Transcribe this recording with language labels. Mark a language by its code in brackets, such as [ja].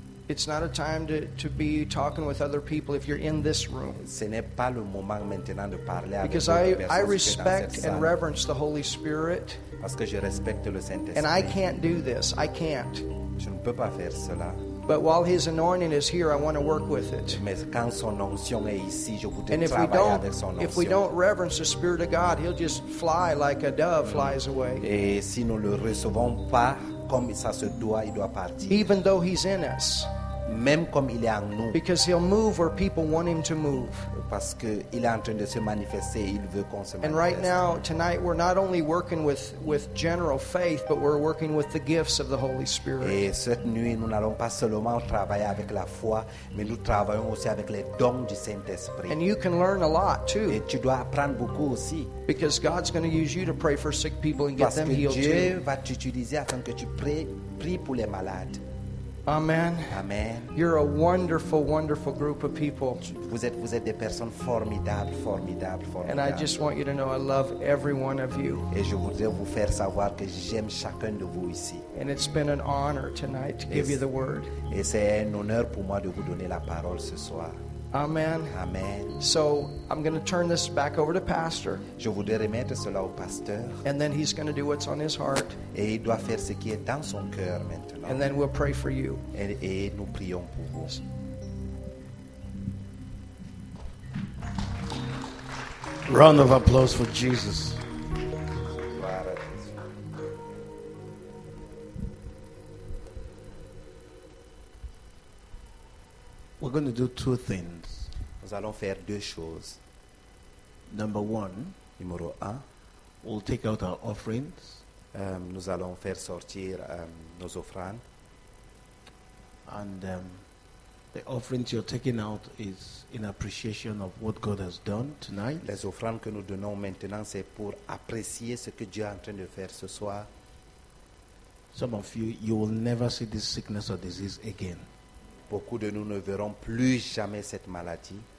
[en] It's not a time to be talking with other people if you're in this room. [fr] Ce n'est pas le moment maintenant de parler [en] because [fr] avec d'autres personnes. [en] Because I respect and reverence the Holy Spirit. [fr] Parce que je respecte le Saint-Esprit. [en] And I can't do this. I can't. [fr] Je ne peux pas faire cela. [en] But while his anointing is here, I want to work with it. [fr] Mais quand son onction est ici, je voudrais [en] and [fr] travailler [en] if we don't, [fr] avec son onction. [en] If we don't reverence the Spirit of God, he'll just fly like a dove flies away. [fr] Et si nous le recevons pas comme ça se doit, il doit partir. [en] Even though he's in us. [fr] même comme il est en nous. [en] Because he'll move where people want him to move. [fr] Parce que il est en train de se manifester, il veut qu'on se manifeste. [en] And right now, tonight, we're not only working with general faith, but we're working with the gifts of the Holy Spirit. [fr] Et cette nuit, nous n'allons pas seulement travailler avec la foi, mais nous travaillons aussi avec les dons du Saint-Esprit. [en] And you can learn a lot too. [fr] Et tu dois apprendre beaucoup aussi. [en] Because God's going to use you to pray for sick people and get [fr] Parce [en] them healed [fr] Dieu [en] too. [fr] Parce que Dieu va t'utiliser afin que tu pries pour les malades. [en] Amen. Amen. You're a wonderful, wonderful group of people. [fr] Vous êtes des personnes formidables, formidables, formidables. [en] And I just want you to know I love every one of you. [fr] Et je voudrais vous faire savoir que j'aime chacun de vous ici. [en] And it's been an honor tonight to give you the word. [fr] Et c'est un honneur pour moi de vous donner la parole ce soir. [en] Amen. Amen. So I'm going to turn this back over to Pastor. [fr] Je voudrais remettre cela au pasteur. [en] And then he's going to do what's on his heart. [fr] Et il doit faire ce qui est dans son cœur maintenant. [en] And then we'll pray for you. [fr] Et nous prions pour vous. [en] Round of applause for Jesus. We're going to do two things. [fr] Nous allons faire deux choses. [en] Number one, [fr] numéro un, [en] we'll take out our offerings. [fr] Nous allons faire sortir nos offrandes. [en] And the offerings you're taking out is in appreciation of what God has done tonight. [fr] Les offrandes que nous donnons maintenant, c'est pour apprécier ce que Dieu est en train de faire ce soir. [en] Some of you, you will never see this sickness or disease again. [fr] Beaucoup de nous ne verrons plus jamais cette maladie.